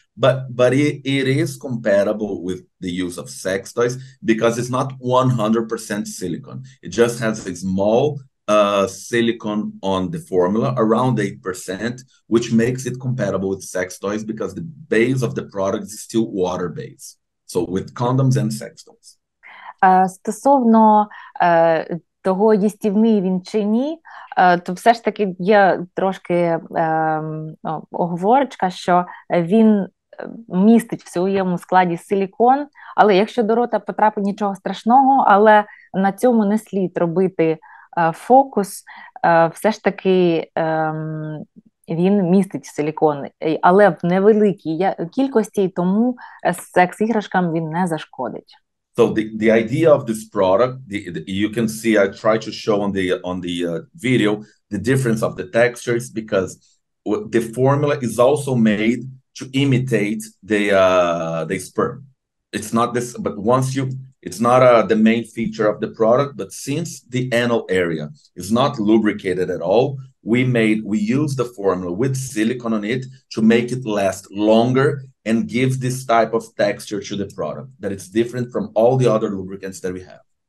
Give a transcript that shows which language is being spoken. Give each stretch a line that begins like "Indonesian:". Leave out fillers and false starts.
English: But it is compatible with the use of sex toys because it's not 100% silicone. It just has a small silicone on the formula, around 8%, which makes it compatible with sex toys because the base of the product is still water-based. So with condoms and sex toys.
Ukrainian: Стосовно того, їстівний він чи ні, то все ж таки є трошки оговорочка, що він містить в своєму складі силікон, але якщо до рота потрапить, нічого страшного, але на цьому не слід робити фокус, все ж таки він містить силікон, але в невеликій кількості, тому секс-іграшкам він не зашкодить.
English: So the idea of this product, you can see, I try to show on the video, the difference of the textures, because the formula is also made to imitate the sperm. It's not this, but once you, it's not the main feature of the product, but since the anal area is not lubricated at all, we use the formula with silicone on it to make it last longer and give this type of texture to the product that it's different from all the other lubricants that we have.